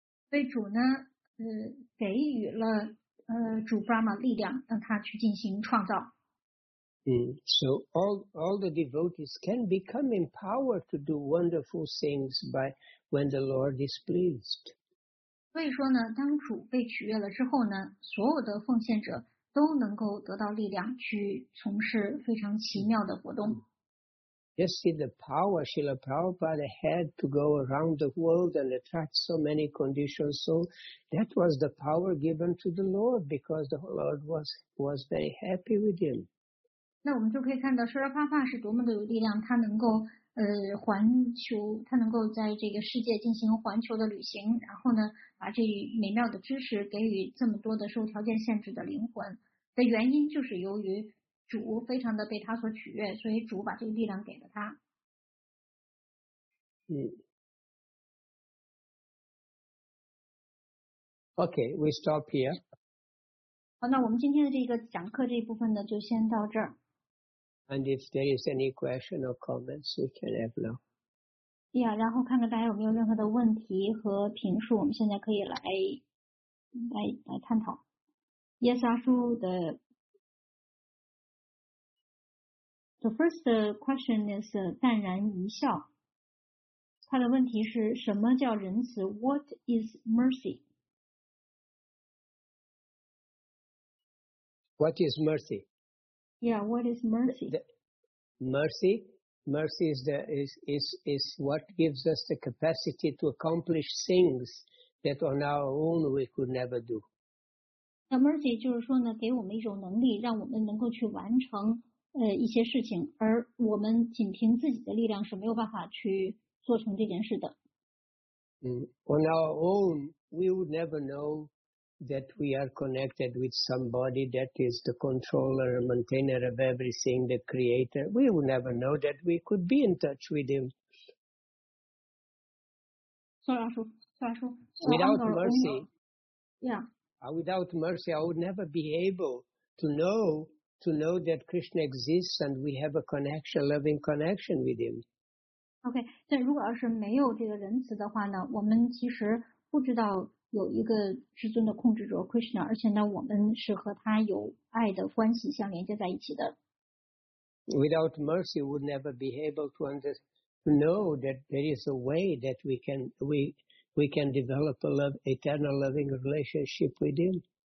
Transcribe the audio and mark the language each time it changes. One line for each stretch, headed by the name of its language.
Chinese: 为主呢，给予了主 Brahma 力量，让他去进行创造。
English: So all the devotees can become empowered to do wonderful things by when the Lord is pleased.
Chinese: 所以说呢，当主被取悦了之后呢，所有的奉献者都能够得到力量去从事非常奇妙的活动。
English: Just see the power Srila Prabhupada had to go around the world and attract so many conditioned souls. That was the power given to the Lord because the Lord was very happy with him.
Chinese: 那我们就可以看到 Srila Prabhupada 是多么的有力量，他能够环球，他能够在这个世界进行环球的旅行，然后呢，把这美妙的知识给予这么多的受条件限制的灵魂。的原因就是由于主非常的被他所取悦，所以主把这个力量给了他。
English: Okay, we stop here.
Chinese: 好，那我们今天的这个讲课这一部分呢，就先到这儿。
English: And if there is any question or comments, we can have now.
Chinese: Yeah, 然后看看大家有没有任何的问题和评述，我们现在可以来探讨。 Yes, 阿叔的。
English: The first question is 淡然一笑
Chinese: 他的问题是什么叫仁慈
English: ？What is mercy？ What is mercy？ Yeah， What is mercy？ Mercy is what gives us the capacity to accomplish things that on our own we could never do。
Chinese: 那 mercy 就是说呢，给我们一种能力，让我们能够去完成一些事情，而我们仅凭自己的力量是没有办法去做成这件事的。
English: On our own, we would never know that we are connected with somebody that is the controller, maintainer of everything, the creator. We would never know that we could be in touch with him. Sorry, 阿叔。 Without mercy, yeah. Without mercy, I would never be able to know. To know that Krishna exists and we have a connection, loving connection with Him.
Chinese: Okay, 但如果要是没有这个仁慈的话呢，我们其实不知道有一个至尊的控制者 Krishna， 而且呢，我们是和他有爱的关系相连接在一起的。
English: Without mercy, we would never be able to know that there is a way that we can develop a love, eternal loving relationship with Him.